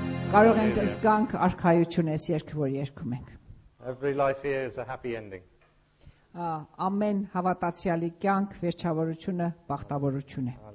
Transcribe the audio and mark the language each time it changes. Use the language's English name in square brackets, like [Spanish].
[Armenian] Կարող ենք զգանք արքայություն այս երգը որ երգում ենք. [English] Every life here is a happy ending. [Armenian] Ամեն հավատացյալի կյանք վերջավորությունը բախտավորություն է.